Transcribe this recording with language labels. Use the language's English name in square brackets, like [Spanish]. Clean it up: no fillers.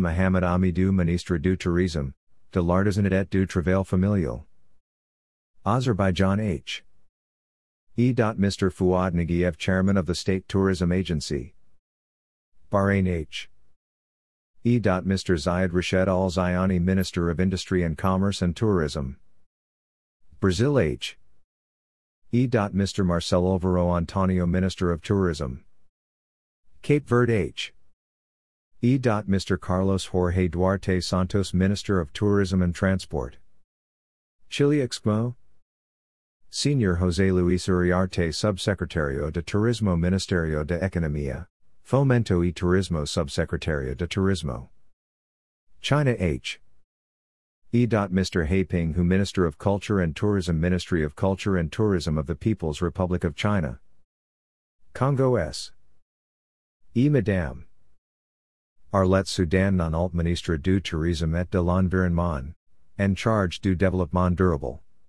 [French] Mohamed Amidou, Ministre du Tourisme, de l'Artisanat et du Travail Familial. [English] Azerbaijan H. E. Mr. Fouad Nagiev, Chairman of the State Tourism Agency. Bahrain H. E. Mr. Zayed Rashed Al Zayani, Minister of Industry and Commerce and Tourism. Brazil H. E. Mr. Marcel Alvaro Antonio, Minister of Tourism. Cape Verde H. E. Mr. Carlos Jorge Duarte Santos, Minister of Tourism and Transport. Chile Excmo. [Spanish] Senior José Luis Uriarte, Subsecretario de Turismo, Ministerio de Economía, Fomento y Turismo, Subsecretario de Turismo. China H. E. Mr. [English] He Ping Hu, Minister of Culture and Tourism, Ministry of Culture and Tourism of the People's Republic of China. [French] Congo S. E. Madame Arlette Soudan Nonalt, Ministre du Tourisme et de l'Environnement, en charge du développement durable.